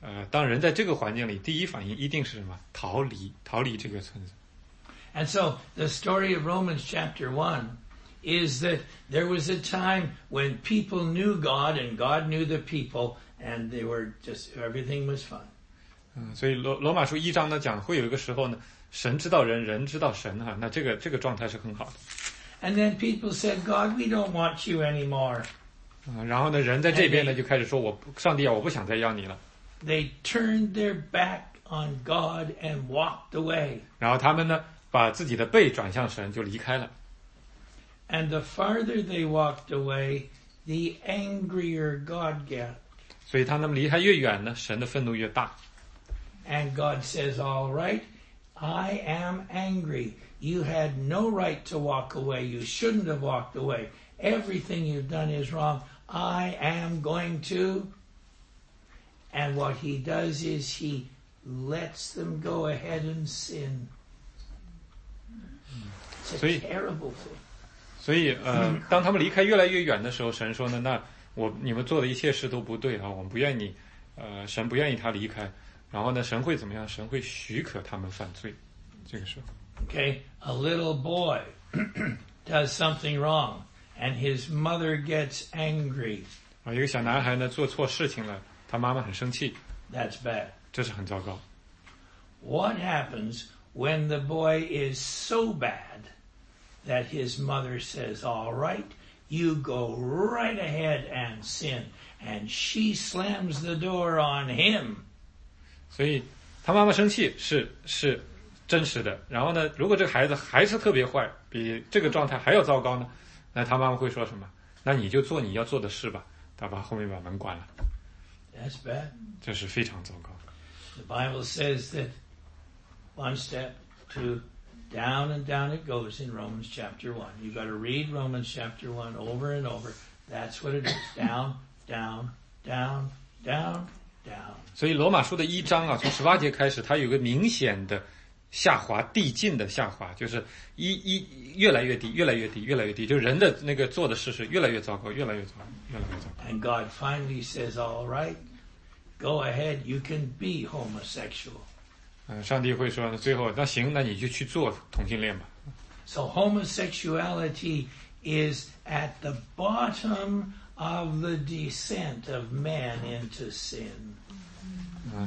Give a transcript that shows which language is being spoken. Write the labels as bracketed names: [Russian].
[Chinese] 当人在这个环境里，第一反应一定是什么？逃离这个村子。 [English] And so the story of Romans chapter 1 is that there was a time when people knew God and God knew the people, and they were just everything was fine. [Chinese] 所以罗马书一章呢讲，会有一个时候呢，神知道人，人知道神哈，那这个状态是很好的。 [English] And then people said, "God, we don't want you anymore." [Chinese] 然后呢，人在这边呢就开始说，上帝啊，我不想再要你了。 [English] They turned their back on God and walked away. [Chinese] 然后他们呢，把自己的背转向神，就离开了。 [English] And the farther they walked away, the angrier God got. [Chinese] 所以他们离开越远呢，神的愤怒越大。 [English] And God says, "All right, I am angry. You had no right to walk away. You shouldn't have walked away. Everything you've done is wrong. I am going to." And what he does is he lets them go ahead and sin. It's a terrible thing. [Chinese] 所以，当他们离开越来越远的时候，神说呢，那我你们做的一切事都不对啊，我们不愿意，神不愿意他离开。然后呢，神会怎么样？神会许可他们犯罪。这个时候 [English] ，Okay, a little boy does something wrong, and his mother gets angry. [Chinese] 啊，一个小男孩呢，做错事情了。他妈妈很生气。 [English] That's bad. [Chinese] 这是很糟糕。 [English] What happens when the boy is so bad that his mother says, "All right, you go right ahead and sin," and she slams the door on him? [Chinese] 所以，他妈妈生气是真实的。然后呢，如果这个孩子还是特别坏，比这个状态还要糟糕呢，那他妈妈会说什么？那你就做你要做的事吧。他把后面把门关了。 [English] That's bad. [Chinese] 这是非常糟糕。 [English] The Bible says that one step, two, down and down it goes in Romans chapter 1. You've got to read Romans chapter 1 over and over. That's what it is. Down, down, down, down, down. [Chinese] 所以罗马书的一章啊，从十八节开始，它有个明显的下滑，递进的下滑，就是越来越低，越来越低，越来越低，就人的那个做的事是越来越糟糕，越来越糟糕，越来越糟糕。 [English] And God finally says, "All right, go ahead, you can be homosexual." [Chinese] 上帝会说最后，那行，那你就去做同性恋吧。 [English] So homosexuality is at the bottom of the descent of man into sin.